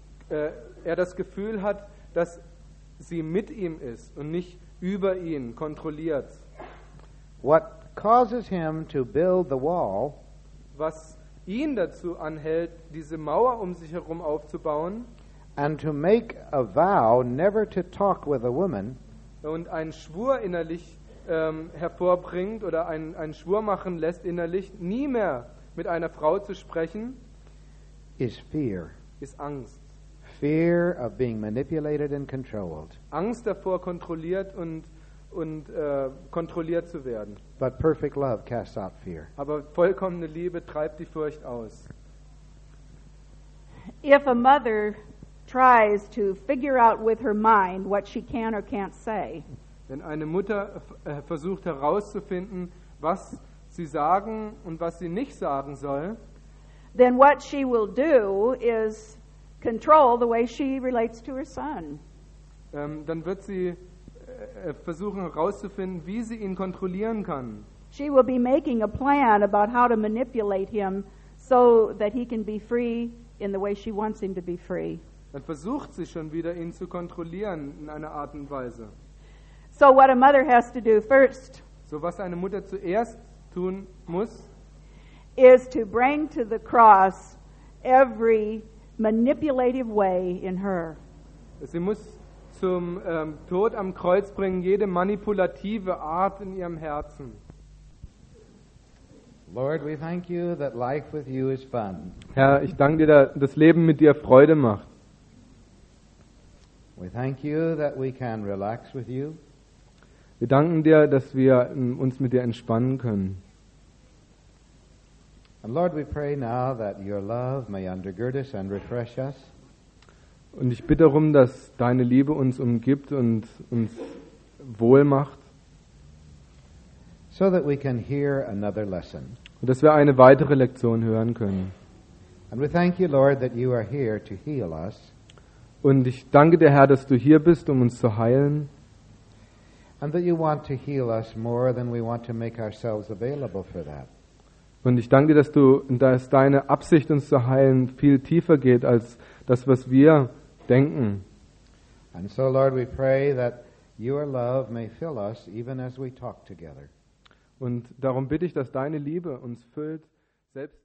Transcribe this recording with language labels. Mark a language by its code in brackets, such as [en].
[de] Er das Gefühl hat, dass sie mit ihm ist und nicht über ihn kontrolliert. [en] What causes him to build the wall, [de] was ihn dazu anhält, diese Mauer um sich herum aufzubauen, [en] and to make a vow never to talk with a woman, [de] und einen Schwur innerlich hervorbringt oder einen Schwur machen lässt innerlich, nie mehr mit einer Frau zu sprechen, [en] is fear. [de] Ist Angst. [en] Fear of being manipulated and controlled. [de] Angst davor, kontrolliert und kontrolliert zu werden. [en] But perfect love casts out fear. [de] Aber vollkommene Liebe treibt die Furcht aus. [en] If a mother tries to figure out with her mind what she can or can't say. [de] Wenn eine Mutter versucht herauszufinden, was sie sagen und was sie nicht sagen soll, [en] then what she will do is control the way she relates to her son. [de] Dann wird sie versuchen herauszufinden, wie sie ihn kontrollieren kann. [en] She will be making a plan about how to manipulate him so that he can be free in the way she wants him to be free. [de] Dann versucht sie schon wieder, ihn zu kontrollieren in einer Art und Weise. [en] So what a mother has to do first, [de] so was eine Mutter zuerst tun muss, [en] is to bring to the cross every manipulative way in her. [de] Sie muss zum Tod am Kreuz bringen jede manipulative Art in ihrem Herzen. [en] Lord, we thank you that life with you is fun. [de] Herr, ich danke dir, dass das Leben mit dir Freude macht. [en] We thank you that we can relax with you. [de] Wir danken dir, dass wir uns mit dir entspannen können. [en] And Lord, we pray now that your love may undergird us and refresh us. [de] Und ich bitte darum, dass deine Liebe uns umgibt und uns wohl macht. [en] So that we can hear another lesson. [de] Und dass wir eine weitere Lektion hören können. [en] And we thank you, Lord, that you are here to heal us. [de] Und ich danke dir, Herr, dass du hier bist, um uns zu heilen. [en] And that you want to heal us more than we want to make ourselves available for that. [de] Und ich danke dir, dass deine Absicht, uns zu heilen, viel tiefer geht als das, was wir denken. [en] And so, Lord, we pray that your love may fill us even as we talk together. [de] Und darum bitte ich, dass deine Liebe uns füllt, selbst